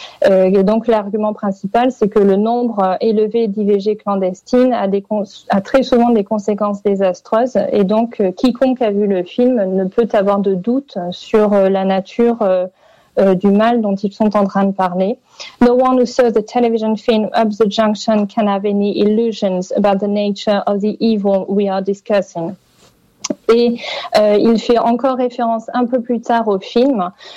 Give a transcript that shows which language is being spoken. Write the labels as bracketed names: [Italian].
[French] Et donc, l'argument principal, c'est que le nombre élevé d'IVG clandestines a très souvent des conséquences désastreuses. Et donc, quiconque a vu le film ne peut avoir de doute sur la nature du mal dont ils sont en train de parler. [English] No one who saw the television film Up the Junction can have any illusions about the nature of the evil we are discussing. [French] Et il fait encore référence un peu plus tard au film.